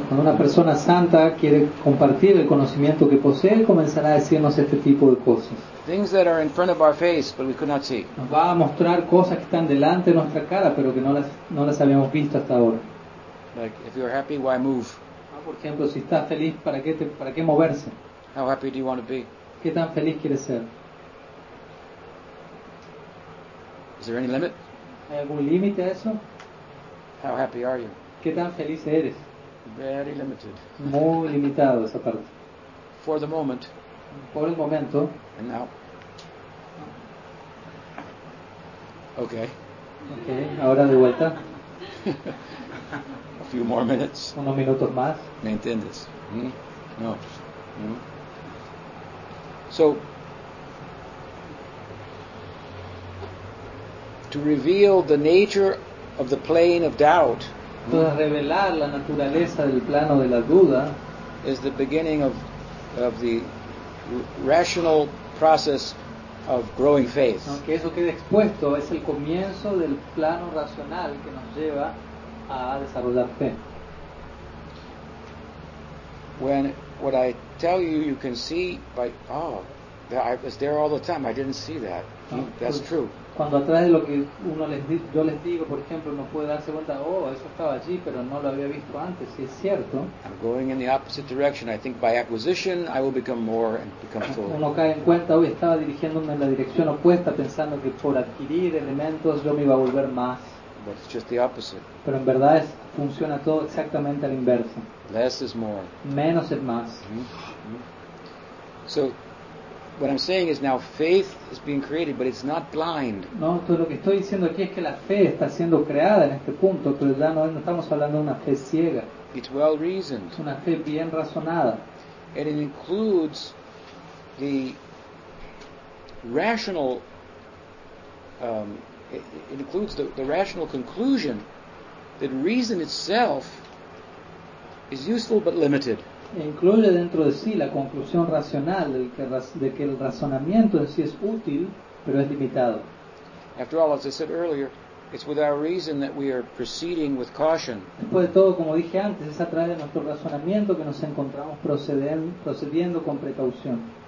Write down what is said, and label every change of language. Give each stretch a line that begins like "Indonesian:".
Spanish: Cuando una persona santa quiere compartir el conocimiento que posee, comenzará a decirnos este tipo de cosas.
English: Things that are in front of our face, but we could not see.
Spanish: Nos va a mostrar cosas que están delante de nuestra cara, pero que no las habíamos visto hasta ahora.
English: Like, if you're happy, why move?
Spanish: Por ejemplo, si estás feliz, ¿para qué moverse?
English: How happy do you want to be?
Spanish: ¿Qué tan feliz quieres ser?
English: Is there any limit?
Spanish: ¿Hay algún límite a eso?
English: How happy are you?
Spanish: ¿Qué tan feliz eres?
English: Very limited.
Spanish: Muy limitado esa parte.
English: For the moment.
Spanish: Por el momento.
English: And now. Okay.
Spanish: Okay, ahora de vuelta.
English: A few more minutes.
Spanish: Unos minutos más. ¿Me entiendes? No.
English: So, to reveal the nature of the plane of doubt.
Spanish: Entonces, revelar la naturaleza del plano de la duda
English: is the beginning of the rational process of growing faith.
Spanish: Aunque eso quede expuesto, es el comienzo del plano racional que nos lleva a desarrollar fe.
English: When what I tell you, you can see by, I was there all the time, I didn't see that. That's true.
Spanish: Cuando a través de lo que yo les digo, por ejemplo, uno puede darse cuenta, eso estaba allí, pero no lo había visto antes, y es cierto.
English: I'm going in the opposite direction. I think by acquisition, I will become more and become full.
Spanish: Uno cae en cuenta, estaba dirigiéndome en la dirección opuesta, pensando que por adquirir elementos yo me iba a volver más.
English: But it's just the opposite.
Spanish: Pero en verdad funciona todo exactamente al inverso.
English: Less is more.
Spanish: Menos es más.
English: So, what I'm saying is now faith is being created, but it's not blind.
Spanish: No, lo que estoy diciendo aquí es que la fe está siendo creada en este punto, pero ya no estamos hablando de una fe ciega.
English: It's well reasoned.
Spanish: Es una fe bien razonada.
English: And it includes the rational. It includes the rational conclusion that reason itself is useful but limited.
Spanish: Incluye dentro de sí la conclusión racional de que el razonamiento en sí es útil, pero es limitado.
English: After all, as I said earlier, It's with our reason that we are proceeding with caution.
Spanish: Después de todo, como dije antes, es a través de nuestro razonamiento que nos encontramos procediendo con precaución.